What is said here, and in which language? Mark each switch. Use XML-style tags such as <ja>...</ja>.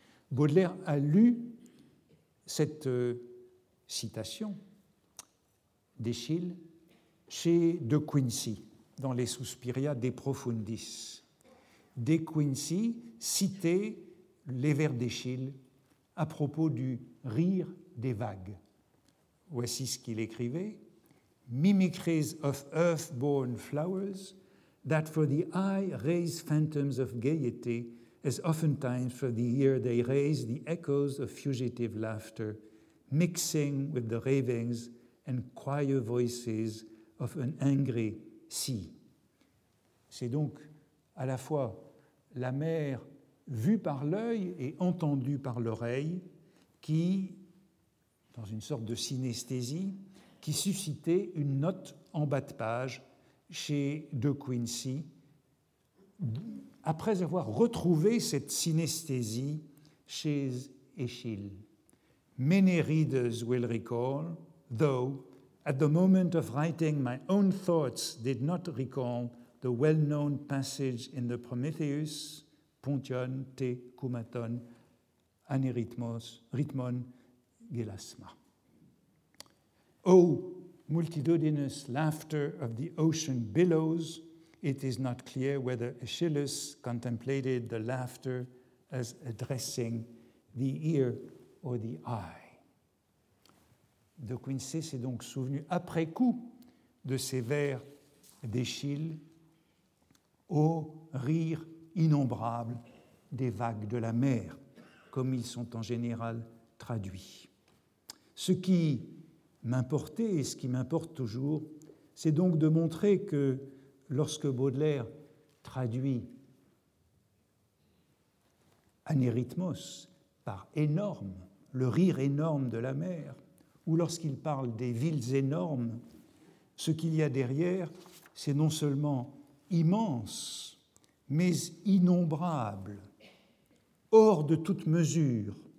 <fr>Baudelaire a lu cette citation d'Eschyle chez De Quincey, dans les Suspiria de Profundis. De Quincey citait les vers d'Eschyle à propos du rire des vagues. Voici ce qu'il écrivait.</fr> <en>Mimicries of earth-born flowers that for the eye raise phantoms of gaiety as oftentimes for the ear they raise the echoes of fugitive laughter mixing with the ravings and choir voices of an angry sea.</en> <fr>C'est donc à la fois la mer vue par l'œil et entendue par l'oreille qui, dans une sorte de synesthésie, qui suscitait une note en bas de page chez De Quincey, après avoir retrouvé cette synesthésie chez Eschyle.</fr> <en>many readers will recall, though at the moment of writing my own thoughts did not recall the well-known passage in the Prometheus,</en> <el>Pontion te cumaton aneritmos ritmon gelasma.</el> <en>O multitudinous laughter of the ocean billows, it is not clear whether Aeschylus contemplated the laughter as addressing the ear or the eye.</en> <fr>De Quincey s'est donc souvenu après coup de ces vers d'Aeschyle, au rire innombrable des vagues de la mer, comme ils sont en général traduits. Ce qui m'importait et ce qui m'importe toujours, c'est donc de montrer que lorsque Baudelaire traduit anérythmos par énorme, le rire énorme de la mer, ou lorsqu'il parle des villes énormes, ce qu'il y a derrière, c'est non seulement immense, mais innombrable, hors de toute mesure,</fr>